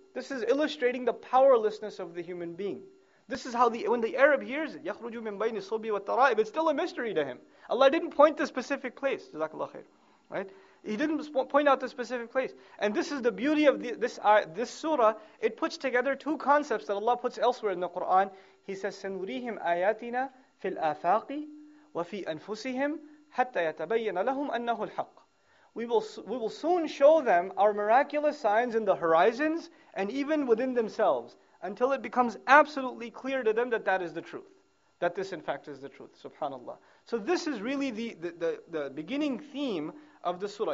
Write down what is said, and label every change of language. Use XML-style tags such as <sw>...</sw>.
<en>This is illustrating the powerlessness of the human being. This is how when the Arab hears it,</en> <ar>يَخْرُجُ مِن بَيْنِ الصُّلْبِ وَالتَّرَائِبِ,</ar> <en>it's still a mystery to him. Allah didn't point the specific place. Jazakallah khair. Right? He didn't point out the specific place. And this is the beauty of this surah. It puts together two concepts that Allah puts elsewhere in the Quran. He says,</en> <ar>سَنُرِيهِمْ آيَاتِنَا فِي الْآفَاقِ وَفِي أَنفُسِهِمْ حَتَّى يَتَبَيَّنَ لَهُمْ أَنَّهُ الْحَقِّ.</ar> <en>We will soon show them our miraculous signs in the horizons and even within themselves until it becomes absolutely clear to them that that is the truth. That this in fact is the truth. SubhanAllah. So this is really the beginning theme of the surah.</en>